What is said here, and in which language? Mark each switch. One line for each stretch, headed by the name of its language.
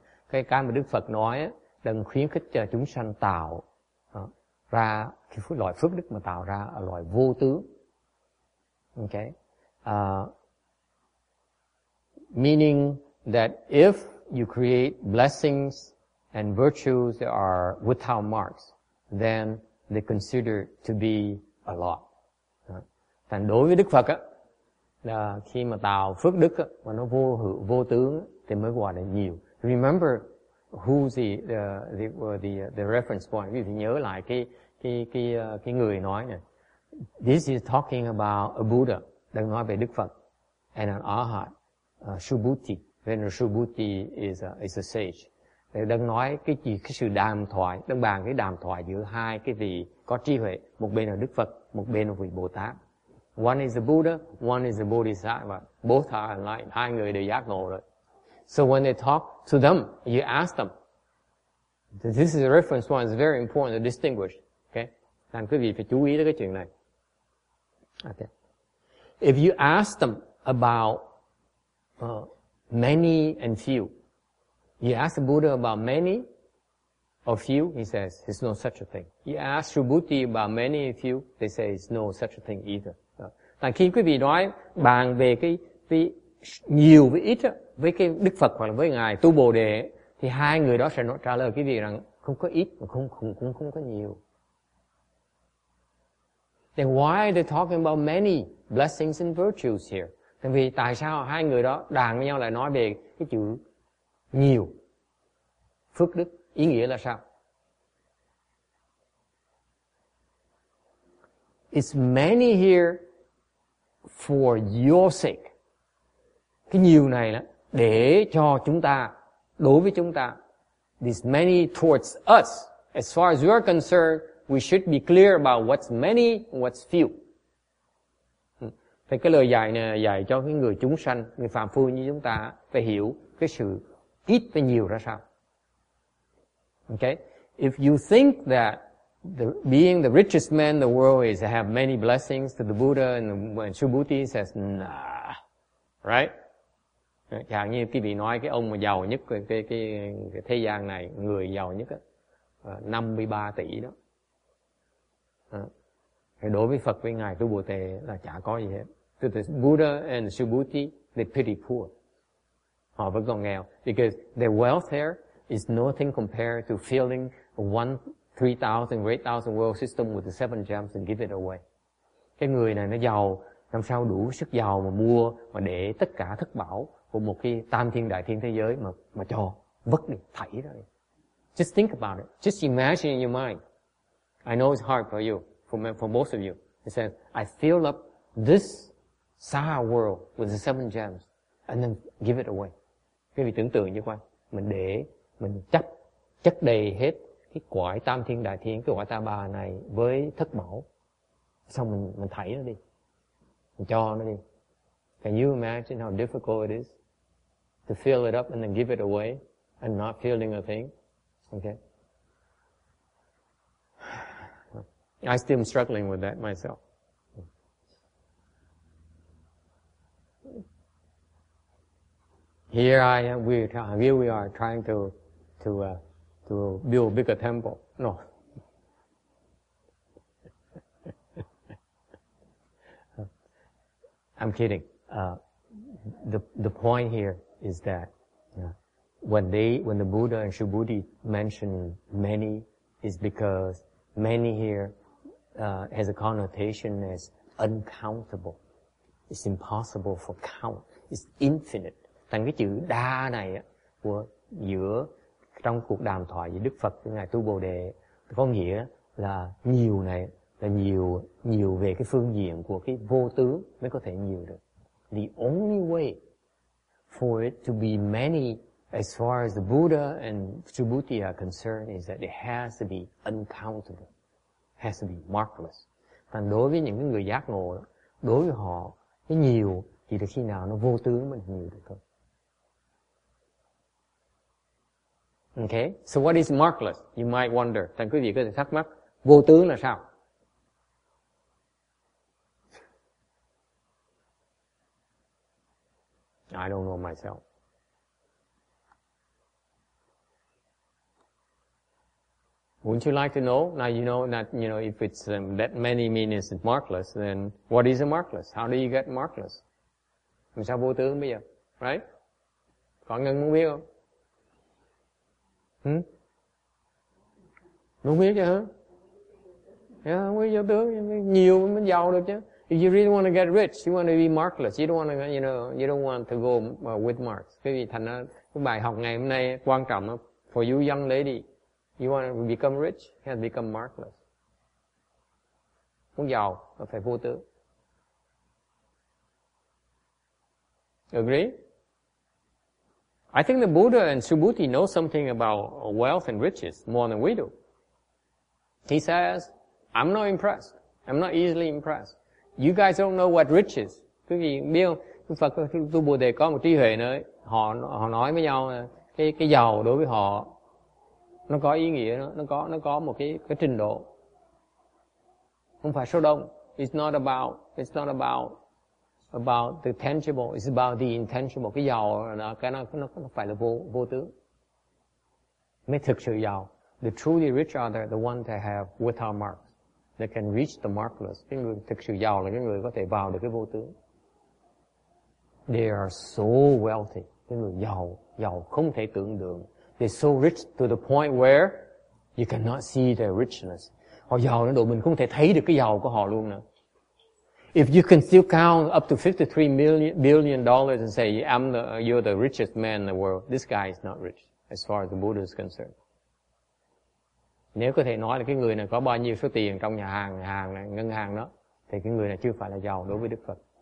Vietnamese: Cái mà Đức Phật nói á, đừng khuyến khích chúng sanh tạo ra cái loại phước đức mà tạo ra là loại vô tướng.
English: Okay. Meaning that if you create blessings and virtues that are without marks, then they consider to be a lot.
Vietnamese: Thành đối với Đức Phật á, là khi mà tạo phước đức á, mà nó vô hữu vô tướng thì mới gọi là nhiều.
English: Remember who's the reference point?
Vietnamese: Vì nhớ lại cái người nói này.
English: This is talking about a Buddha.
Vietnamese: Đang nói về Đức Phật
English: and an Arhat. Subhuti, when Subhuti is a sage.
Vietnamese: Để đang nói cái gì, cái sự đàm thoại, đang bàn cái đàm thoại giữa hai cái vị có trí huệ, một bên là Đức Phật, một bên là vị Bồ Tát.
English: One is the Buddha, one is the Bodhisattva. Both are enlightened.
Vietnamese: Hai người đều giác ngộ rồi.
English: So when they talk to them, you ask them. This is a reference point, it's very important to distinguish. Okay?
Vietnamese: Làm quý vị phải chú ý tới cái chuyện này.
English: Okay. If you ask them about many and few. You ask the Buddha about many or few, he says, it's no such a thing. You ask Subhuti about many and few, they say it's no such a thing either.
Vietnamese: Tại khi quý vị nói bàn về cái nhiều với ít, với cái Đức Phật hoặc là với Ngài Tu Bồ Đề, thì hai người đó sẽ nói, trả lời quý vị rằng không có ít, mà không có nhiều.
English: Then why are they talking about many blessings and virtues here?
Vietnamese: Tại vì tại sao hai người đó đàn với nhau lại nói về cái chữ nhiều, phước đức, ý nghĩa là sao?
English: It's many here for your sake.
Vietnamese: Cái nhiều này là để cho chúng ta, đối với chúng ta.
English: It's many towards us. As far as we are concerned, we should be clear about what's many and what's few.
Vietnamese: Thì cái lời dạy này dạy cho cái người chúng sanh, người phàm phu như chúng ta phải hiểu cái sự ít và nhiều ra sao.
English: Okay? If you think that the being the richest man in the world is to have many blessings to the Buddha and Subhuti says, nah. Right?
Vietnamese: Chẳng như quý vị nói cái ông mà giàu nhất cái thế gian này, người giàu nhất á, 53 tỷ đó. Thì đối với Phật với Ngài Tu Bồ Tề là chả có gì hết.
English: To the Buddha and Subhuti, they're pretty poor.
Vietnamese: Họ vẫn còn nghèo.
English: Because their wealth there is nothing compared to filling 1,000, 3,000, 8,000 world system with the 7 gems and give it away.
Vietnamese: Cái người này nó giàu, làm sao đủ sức giàu mà mua, mà để tất cả thất bảo của một cái tam thiên đại thiên thế giới mà cho vứt đi, thảy ra đi.
English: Just think about it. Just imagine in your mind. I know it's hard for you, for most of you. He says, I fill up this Saha world with the 7 gems and then give it away.
Vietnamese: Quý vị tưởng tượng như vậy. Mình để, mình chất đầy hết cái quải tam thiên đại thiên, cái quải ta bà này với thất bảo. Xong mình thảy nó đi. Mình cho nó đi.
English: Can you imagine how difficult it is to fill it up and then give it away and not feeling a thing? Okay. I still am struggling with that myself. Here I am, here we are trying to build a bigger temple. No. I'm kidding. The point here is that when the Buddha and Subhuti mention many, is because many here has a connotation as uncountable. It's impossible for count. It's infinite.
Vietnamese: Thành cái chữ đa này á, của giữa trong cuộc đàm thoại với Đức Phật với Ngài Tu Bồ Đề có nghĩa là nhiều này, là nhiều nhiều về cái phương diện của cái vô tướng mới có thể nhiều được.
English: The only way for it to be many as far as the Buddha and Subhuti are concerned is that it has to be uncountable, has to be markless.
Vietnamese: Thành đối với những người giác ngộ, đối với họ, cái nhiều chỉ là khi nào nó vô tướng mới nhiều được thôi.
English: Okay, so what is markless? You might wonder.
Vietnamese: Thành quý vị có thể thắc mắc, vô tướng là sao?
English: I don't know myself. Wouldn't you like to know? Now you know that, you know, if it's that many means it's markless, then what is a markless? How do you get markless?
Vietnamese: Mình sao vô tướng bây giờ?
English: Right?
Vietnamese: Có ngân muốn biết không? Muốn biết chứ hả? Yeah, không biết vô tướng, nhiều mới giàu được chứ.
English: If you really want to get rich, you want to be markless. You don't want to, you know, you don't want to go with marks.
Vietnamese: Quý vị thành cái bài học ngày hôm nay quan trọng đó.
English: For you young lady, you want to become rich, you have to become markless.
Vietnamese: Muốn giàu, nó phải vô tướng.
English: Agree? I think the Buddha and Subhuti know something about wealth and riches more than we do. He says, I'm not impressed. I'm not easily impressed. You guys don't know what rich is.
Vietnamese: Quý vị biết không? Phật Tu Bồ Đề có một trí huệ nữa. Họ nói với nhau cái giàu đối với họ nó có ý nghĩa nữa. Nó có một cái trình độ. Không phải số đông.
English: It's not about the tangible. It's about the intangible.
Vietnamese: Cái giàu là nó phải là vô tướng. Mới thực sự giàu.
English: The truly rich are the ones that have without mark. They can reach the markless.
Vietnamese: Cái người thực sự giàu là cái người có thể vào được cái vô tướng.
English: They are so wealthy.
Vietnamese: Cái người giàu, giàu không thể tưởng tượng.
English: They're so rich to the point where you cannot see their richness.
Vietnamese: Họ giàu đến độ mình không thể thấy được cái giàu của họ luôn nữa.
English: If you can still count up to $53 billion and say, you're the richest man in the world, this guy is not rich as far as the Buddha is concerned.
Vietnamese: Nếu có thể nói là cái người này có bao nhiêu số tiền trong nhà hàng này, ngân hàng đó, thì cái người này chưa phải là giàu đối với Đức Phật.